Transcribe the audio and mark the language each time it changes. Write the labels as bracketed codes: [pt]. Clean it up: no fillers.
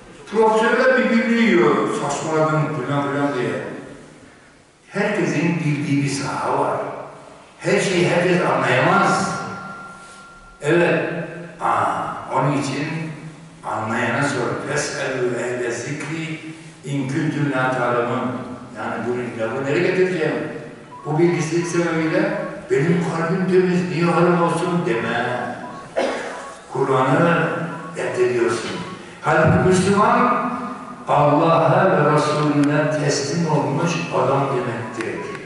[tr] Profesörler birbirini yiyor. Saçmaladım filan filan diye. Herkesin bildiği bir saha var. Her şeyi herkes anlayamaz. Evet, onun için anlayana sor. [ar] فَسْأَلُوا اَهْلَ زِكْرِ اِنْ كُنْتُمْ لَا تَعْلَمُونَ [tr] Yani bunu lafı nereye getireceğim? Bu bilgisizlik sebebiyle benim kalbim temiz, niye halim olsun deme. Kur'an'ı reddediyorsun. Halbuki Müslüman, Allah'a ve Resulüne teslim olmuş adam demektir.